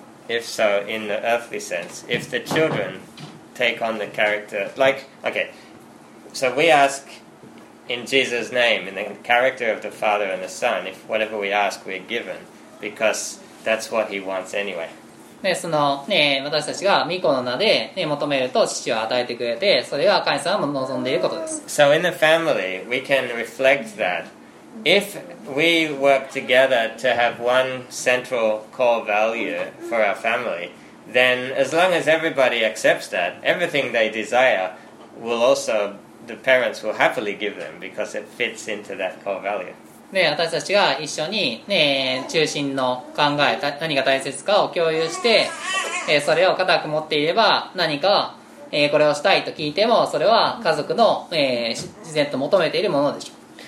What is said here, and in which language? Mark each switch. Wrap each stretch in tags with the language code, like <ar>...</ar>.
<en>If so, in the earthly sense, if the children take on the character, like, okay, so we ask in Jesus' name, in the character of the Father and the Son, if whatever we ask, we're given, because that's what he wants anyway.</en> <ja>でそのね、私たちが御子の名で、ね、求めると父は与えてくれて、それが神様も望んでいることです。</ja> <en>So in the family, we can reflect that if we work together to have one central core value for our family, then as long as everybody accepts that, everything they desire will also, the parents will happily give them because it fits into that core value.</en> <ja>で私たちが一緒に、ね、中心の考え何が大切かを共有して、それを固く持っていれば何か、これをしたいと聞いてもそれは家族の、自然と求めているものでしょう。</ja>